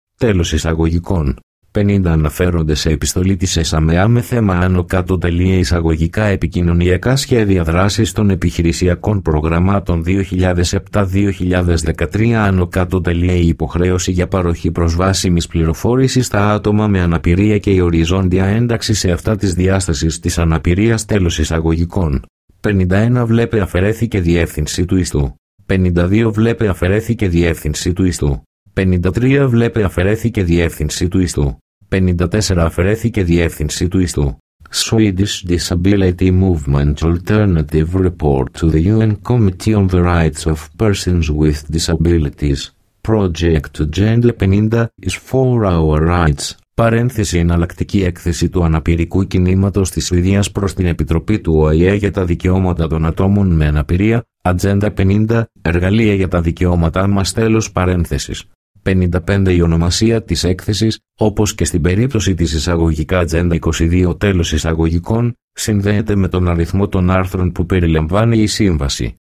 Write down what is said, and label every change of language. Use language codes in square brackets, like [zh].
[el] Τέλος εισαγωγικών. 50 αναφέρονται σε επιστολή της ΕΣΑΜΕΑ με θέμα άνω κάτω τελεία εισαγωγικά επικοινωνιακά σχέδια δράσης των επιχειρησιακών προγραμμάτων 2007-2013 άνω κάτω τελεία η υποχρέωση για παροχή προσβάσιμης πληροφόρησης στα άτομα με αναπηρία και η οριζόντια ένταξη σε αυτά της διάστασης της αναπηρίας τέλος εισαγωγικών. 51 βλέπε αφαιρέθηκε διεύθυνση του ιστού. 52 βλέπε αφαιρέθηκε διεύθυνση του ιστού. 53 βλέπε αφαιρέθηκε διεύθυνση του ιστού. 54 αφαιρέθηκε διεύθυνση του ιστού. [en] Swedish Disability Movement Alternative Report to the UN Committee on the Rights of Persons with Disabilities. Project Agenda 50 is for our rights. [el] Παρένθεση εναλλακτική έκθεση του αναπηρικού κινήματος της Σουηδίας προς την Επιτροπή του ΟΗΕ για τα δικαιώματα των ατόμων με αναπηρία, Agenda 50, εργαλεία για τα δικαιώματά μας τέλος παρένθεσης. 55 η ονομασία της έκθεσης, όπως και στην περίπτωση της εισαγωγικά Agenda 22 τέλος εισαγωγικών, συνδέεται με τον αριθμό των άρθρων που περιλαμβάνει η σύμβαση.